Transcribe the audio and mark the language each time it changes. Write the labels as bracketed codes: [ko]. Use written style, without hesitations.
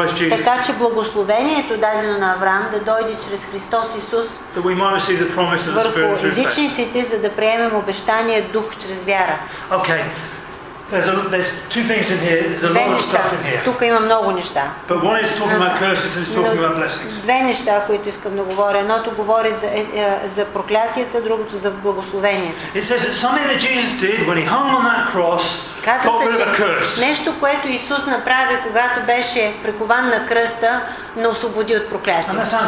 [bg] Така че благословението дадено на Авраам да дойде чрез Христос Исус върху езичниците, за да приемем обещание дух чрез вяра. [en] Okay. There's two things in here. There's a lot of stuff in here. But one is talking about curses and talking about blessings. [bg] Две неща, които искам да говоря. Едното говори за проклятията, другото за благословението. [en] It says that something that Jesus did when he hung on that cross. [bg] Казва се, че нещо, което Исус направи, когато беше прикован на кръста, не освободи от проклятие.